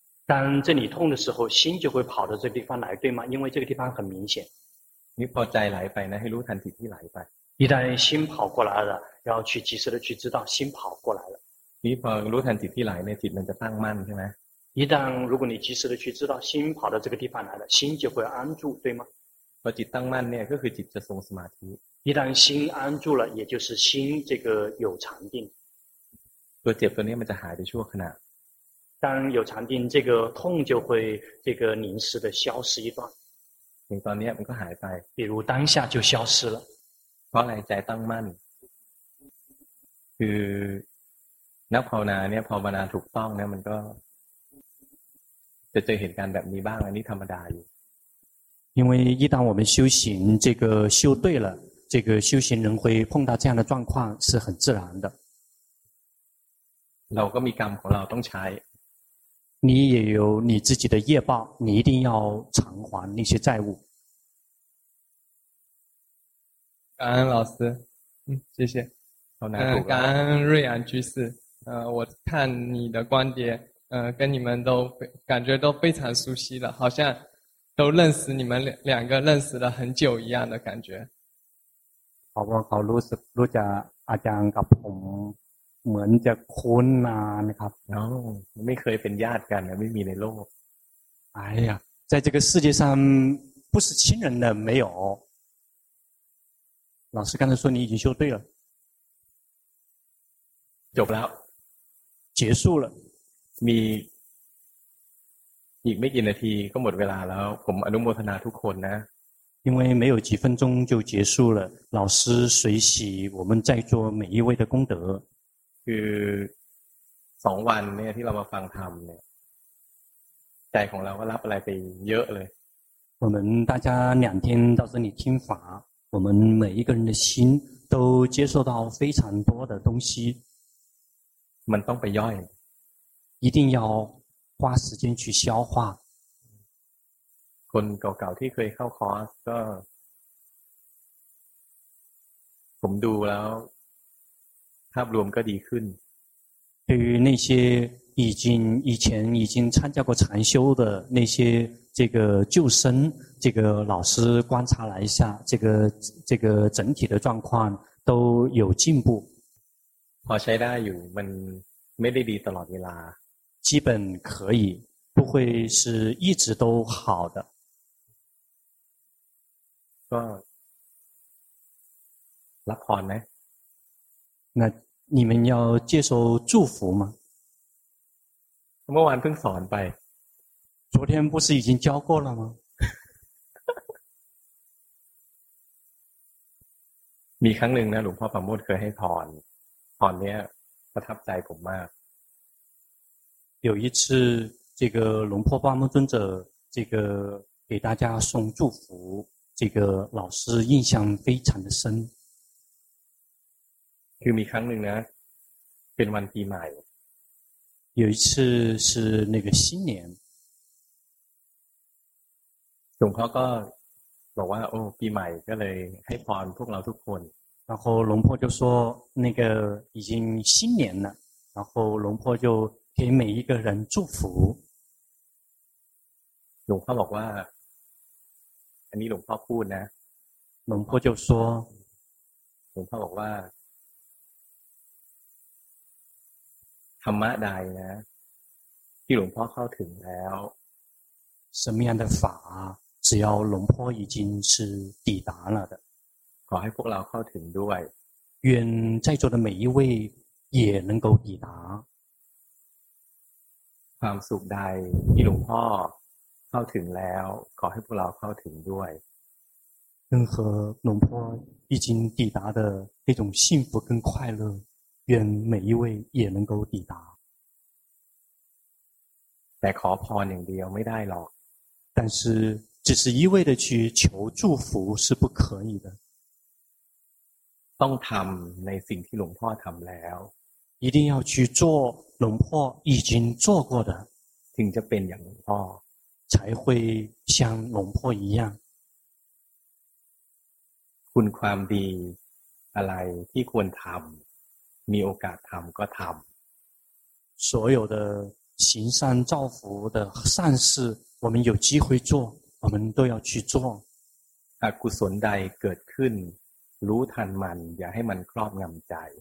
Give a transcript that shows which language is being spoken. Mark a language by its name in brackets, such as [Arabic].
[Chinese] 当这里痛的时候心就会跑到这地方来对吗因为这个地方很明显 [Thai] นี่พอใจไหลไปนะให้รู้ทันจิตที่ไหลไป [Chinese] 一旦心跑过来了要去及时的去知道心跑过来了 [Thai] นี่พอรู้ทันจิตที่ไหลเนี่ยจิตมันจะตั้งมั่นใช่ไหม [Chinese] 一旦如果你及时的去知道心跑到这个地方来了，心就会安住，对吗？ [Thai] พอจิตตั้งมั่นเนี่ยก็คือจิตจะทรงสมาธิ [Chinese] 一旦心安住了，也就是心这个有禅定。 [Thai] ตัวเจ็บตัวนี้มันจะหายไปชั่วขณะ [Chinese] 当有禅定，这个痛就会这个临时的消失一段。 [Thai] 你ตอนนี้มันก็หายไป [Chinese] 比如当下就消失了。 [Thai] เพราะอะไรใจตั้งมั่นคือนักภาวนาเนี่ยพอภาวนาถูกต้องเนี่ยมันก็จะเจอเหตุการณ์แบบนี้บ้างอันนี้ธรรมดาอยู่ [Chinese] 因为一旦我们修行这个修对了这个修行人会碰到这样的状况是很自然的 [Thai] เราก็มีกรรมของเราต้องใช้ [Chinese] 你也有你自己的业报，你一定要偿还那些债务。感恩老师，谢谢。感恩瑞安居士，我看你的观点，跟你们都感觉都非常熟悉了，好像都认识你们两个认识了很久一样的感觉。好不好？ [Thai] รู้สึกรู้จักอาจารย์กับผมเหมือนจะคุ้นนานครับ เนาะไม่เคยเป็นญาติกันนะไม่มีในโลก [Chinese] 哎呀在这个世界上不是亲人的没有老师刚才说你已经修对了 [Thai] จบแล้ว [Chinese] 结束了 [Thai] มีอีกไม่กี่นาทีก็หมดเวลาแล้วผมอนุโมทนาทุกคนนะ [Chinese] 因为没有几分钟就结束了老师随喜我们在座每一位的功德 [Thai] คือสองวันเนี่ยที่เรามาฟังธรรมเนี่ยใจของเราก็รับอะไรไปเยอะเลย [Chinese] 我们大家两天到这里听法我们每一个人的心都接受到非常多的东西 [Thai] มันต้องไปย่อย [Chinese] 一定要花时间去消化 [Thai] คนเก่าๆที่เคยเข้าคอร์สก็ผมดูแล้วภาพรวมก็ดีขึ้น [Chinese] 对于那些以前已经参加过禅修的那些这个旧生这个老师观察了一下这个整体的状况都有进步 [Thai] พอใช้ได้อยู่มันไม่ได้ดีตลอดเวลา [Chinese] 基本可以不会是一直都好的 [Thai] ก็รับพรไ [Chinese] หม那你们要接受祝福吗？ [Thai] เมื่อวานเพิ่งสอนไป [Chinese] 昨天不是已经教过了吗？ [Thai] มีครั้งหนึ่งนะหลวงพ่อประโมทเคยให้ถอนถอนเนี้ยประทับใจผมมาก [Chinese] 有一次这个龙破八梦尊者这个给大家送祝福这个老师印象非常的深 [Thai] คือมีครั้งหนึ่งนะเป็นวันปีใหม่ [Chinese] 有一次是那个新年 [Thai] หลวงพ่อก็บอกว่าโอ้ปีใหม่ก็เลยให้พรพวกเราทุกคน [Chinese] 然后龙婆就说那个已经新年了然后龙婆就给每一个人祝福 [Thai] หลวงพ่อบอกว่าอันนี้หลวงพ่อพูดนะ [Chinese] 龙婆就说 [Thai] หลวงพ่อบอกว่าธรรมะใดนะที่หลวงพ่อเข้าถึงแล้ว [Chinese] 什么样的法只要龙婆已经是抵达了的 [Thai] ขอให้พวกเราเข้าถึงด้วย [Chinese] 愿在座的每一位也能够抵达 [Thai] ความสุขใดที่หลวงพ่อเข้าถึงแล้วขอให้พวกเราเข้าถึงด้วย [Chinese] 任何龙婆已经抵达的那种幸福跟快乐愿每一位也能够抵达。 [Thai] แต่ขอพรอย่างเดียวไม่ได้หรอก [Chinese] 但是只是一味的去求祝福是不可以的。 [Thai] ต้องทำในสิ่งที่หลวงพ่อทำแล้ว [Chinese] 一定要去做龙婆已经做过的 [Thai] ถึงจะเป็นอย่างหลวงพ่อ [Chinese] 才会像龙婆一样。 [Thai] คุณความดีอะไรที่ควรทำมีโอกาสทำก็ทำ [Chinese] 所有的行善造福的善事我们有机会做我们都要去做 [Thai] อกุศลใดเกิดขึ้นรู้ทันมันอย่าให้มันครอบงำใจ